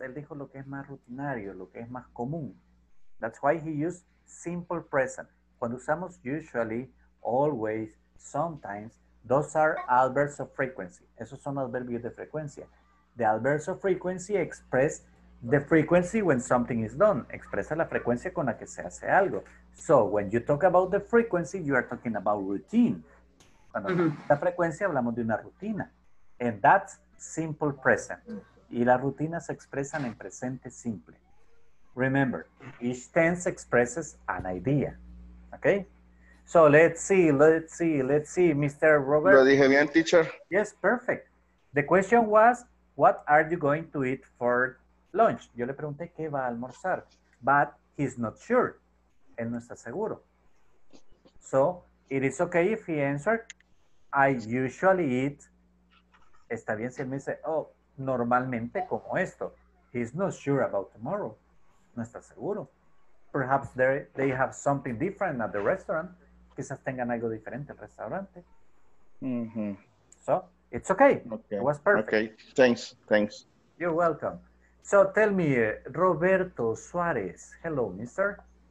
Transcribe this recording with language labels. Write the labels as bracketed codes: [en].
[es] Él dijo lo que es más rutinario, lo que es más común. [en] That's why he used simple present. [es] Cuando usamos [en] usually, always, sometimes, those are adverbs of frequency. [es] Esos son adverbios de frecuencia. [en] The adverbs of frequency express the frequency when something is done. [es] Expresa la frecuencia con la que se hace algo. [en] So when you talk about the frequency, you are talking about routine. [es] Cuando la frecuencia, hablamos de una rutina. [en] And that's simple present. [es] Y las rutinas se expresan en presente simple. [en] Remember, each tense expresses an idea. Okay, so let's see, Mr. Robert. [es] Lo dije bien, teacher. [en] Yes, perfect. The question was, what are you going to eat for lunch? [es] Yo le pregunté qué va a almorzar, [en] but he's not sure. [es] Él no está seguro. [en] So, it is okay if he answered, I usually eat. [es] Está bien si él me dice, oh, normalmente como esto. [en] He's not sure about tomorrow. [es] No está seguro. [en] Perhaps they have something different at the restaurant. [es] Quizás tengan algo diferente al restaurante. Mm-hmm. [en] So, it's okay. It was perfect. Okay, thanks. You're welcome. So, tell me, Roberto Suarez. Hello, mister.